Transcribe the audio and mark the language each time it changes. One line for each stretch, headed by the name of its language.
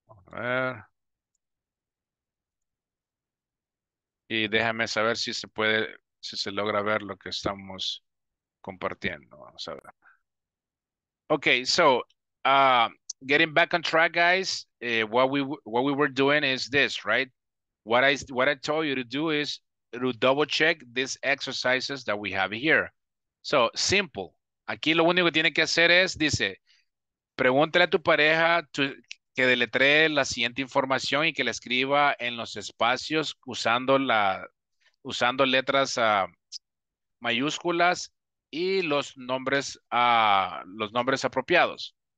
Spanish: A ver. Y déjame saber si se puede, si se logra ver lo que estamos compartiendo. Vamos a ver. Okay, so
English: getting back on track, guys, what we were doing is this, right? What I told you to do is to double check these exercises that we have here. So, simple.
Spanish: Aquí lo único que tiene que hacer es, dice, pregúntale a tu pareja que deletree la siguiente información y que la escriba en los espacios usando letras mayúsculas y los nombres apropiados.